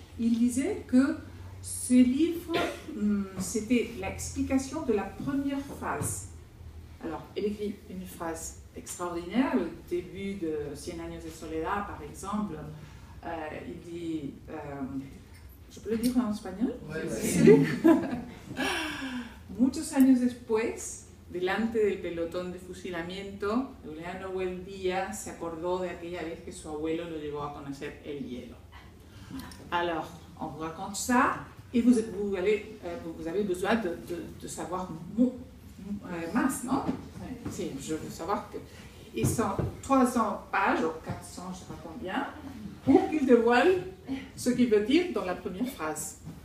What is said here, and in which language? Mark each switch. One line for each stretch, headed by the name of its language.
French: Il disait que ce livre, c'était l'explication de la première phase. Alors, il écrit une phrase extraordinaire, le début de Cien años de soledad, par exemple. Il dit, je peux le dire en espagnol? Oui.
Spanish: Muchos años después, delante del pelotón de fusilamiento, Juliano Buendía se acordó de aquella vez que su abuelo lo llevó a conocer el hielo.
French: Alors, on vous raconte ça, et vous avez besoin de savoir masse, non? Si, je veux savoir que. Et sont 300 pages, ou 400, je ne sais pas combien, pour qu'il dévoile ce qu'il veut dire dans la première phrase.